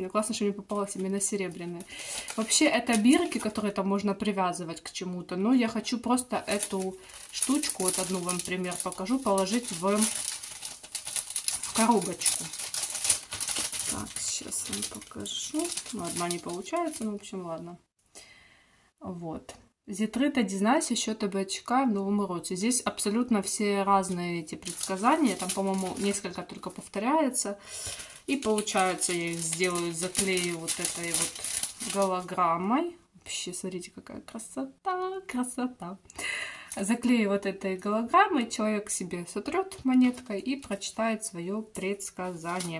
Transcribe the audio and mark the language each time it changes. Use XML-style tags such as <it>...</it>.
<ru>Мне классно, что мне попалось именно серебряные. Вообще это бирки, которые там можно привязывать к чему-то. Но я хочу просто эту штучку, вот одну вам пример покажу, положить в коробочку. Так, сейчас вам покажу. Ну, одна не получается, ну, в общем, ладно. Вот.</ru> <uk>Зитрита, дизнайся, що тебе чекає в новому році.</uk> <ru>Здесь абсолютно все разные эти предсказания. Там, по-моему, несколько только повторяется. И получается, я их сделаю, заклею вот этой вот голограммой. Вообще, смотрите, какая красота, красота. Заклею вот этой голограммой, человек себе сотрет монеткой и прочитает свое предсказание.</ru>